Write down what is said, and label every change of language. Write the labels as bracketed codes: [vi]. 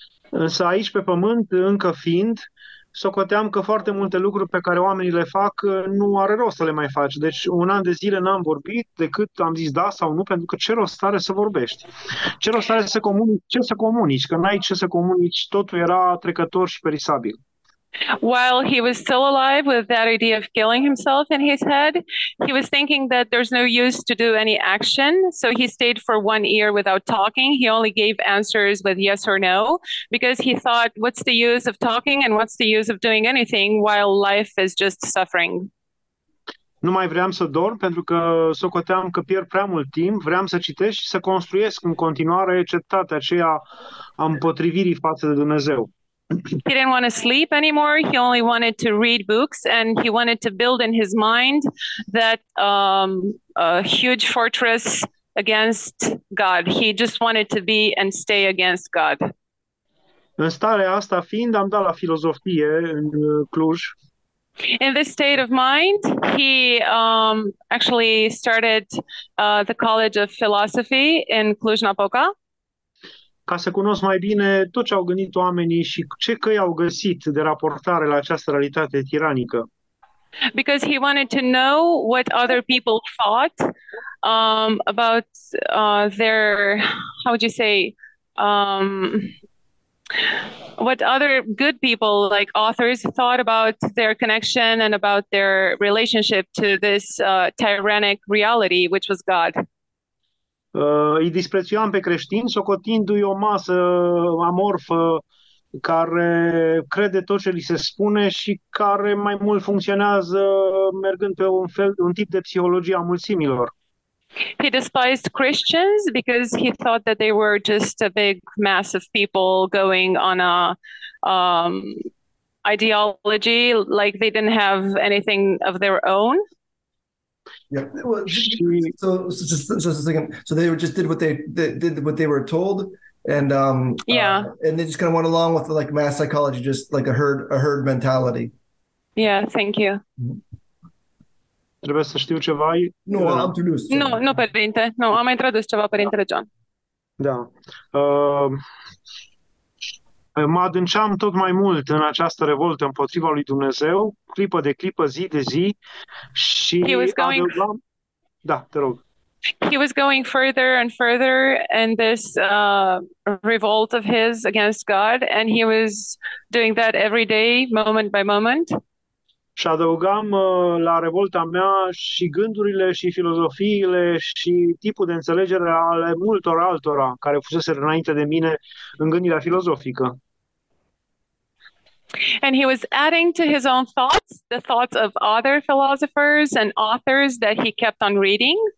[ro] Însă aici, pe pământ, încă fiind, socoteam că foarte multe lucruri pe care oamenii le fac nu are rost să le mai faci. Deci un an de zile n-am vorbit decât am zis da sau nu, pentru că ce rost are să vorbești? Ce rost are să comunici? Ce să comunici? Că n-ai ce să comunici, totul era trecător și perisabil. [en] While he was still alive with that idea of killing himself in his head, he was thinking that there's no use to do any action. So he stayed for one year without talking. He only gave answers with yes or no, because he thought, what's the use of talking and what's the use of doing anything while life is just suffering? [ro] Nu mai vreau să dorm pentru că socoteam că pierd prea mult timp. Vreau să citesc și să construiesc în continuare cetatea aceea a împotrivirii față de Dumnezeu. [en] He didn't want to sleep anymore. He only wanted to read books and he wanted to build in his mind that a huge fortress against God. He just wanted to be and stay against God. [ro] În starea asta fiind, am dat la filozofie în Cluj. [en] In this state of mind, he actually started the College of Philosophy in Cluj-Napoca. [ro] Ca să cunosc mai bine tot ce au gândit oamenii și ce căi au găsit de raportare la această realitate tiranică. [en] Because he wanted to know what other people thought about their, how would you say, what other good people, like authors, thought about their connection and about their relationship to this tyrannic reality, which was God. [ro] Îi disprețuiam pe creștini, socotindu-i o masă amorfă care crede tot ce li se spune și care mai mult funcționează mergând pe un fel, un tip de psihologie a mulțimilor. [en] He despised Christians because he thought that they were just a big mass of people going on a ideology, like they didn't have anything of their own. Yeah. Well, so a second. So they were just did what they did what they were told, and and they just kind of went along with the, like mass psychology, just like a herd mentality. Yeah. Thank you. [ro] Trebuie să știu ceva. Nu, am tradus. Nu, părinte. Nu, am mai tradus ceva, părintele John. Da. Mă adânceam tot mai mult în această revoltă împotriva lui Dumnezeu, clipă de clipă, zi de zi, și adăugam... Da, te rog. [en] He was going further and further in this revolt of his against God, and he was doing that every day, moment by moment. [ro] Și adăugam la revolta mea și gândurile și filozofiile și tipul de înțelegere ale multor altora care fusese înainte de mine în gândirea filozofică. [en] And he was adding to his own thoughts, the thoughts of other philosophers and authors that he kept on reading.